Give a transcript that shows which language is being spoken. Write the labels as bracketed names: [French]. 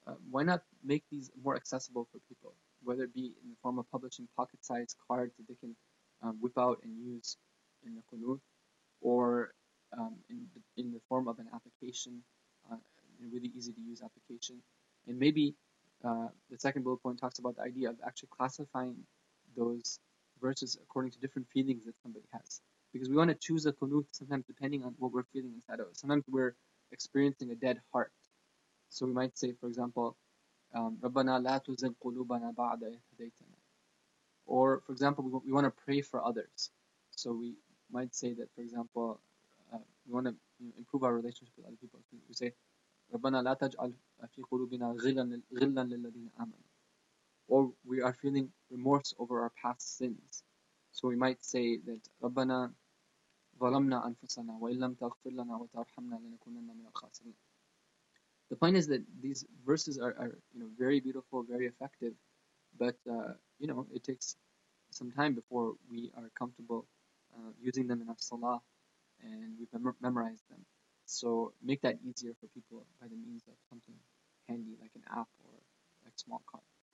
[English] Why not make these more accessible for people, whether it be in the form of publishing pocket-sized cards that they can whip out and use in the qunut, or in the form of an application, a really easy-to-use application. And maybe the second bullet point talks about the idea of actually classifying those verses according to different feelings that somebody has. Because we want to choose a qunut sometimes depending on what we're feeling inside of us. Sometimes we're experiencing a dead heart. So we might say, for example, [Arabic] رَبَّنَا لَا تُزِغْ قُلُوبَنَا بَعْدَ إِذْ هَدَيْتَنَا. [English] Or, for example, we want to pray for others. So we might say that, for example, we want to improve our relationship with other people. So we say, [Arabic] رَبَّنَا لَا تَجْعَلْ فِي قُلُوبِنَا غِلًّا لِلَّذِينَ آمَنُوا. [English] Or we are feeling remorse over our past sins. So we might say that, [Arabic] رَبَّنَا ظَلَمْنَا أَنفُسَنَا وَإِن لَمْ تَغْفِرْ لَنَا وَتَرْحَمْنَا لَنَكُونَنَّ مِنَ الْخَاسِرِينَ. [English] The point is that these verses are you know, very beautiful, very effective, but you know, it takes some time before we are comfortable using them in our salah and we've memorized them. So make that easier for people by the means of something handy like an app or a small card.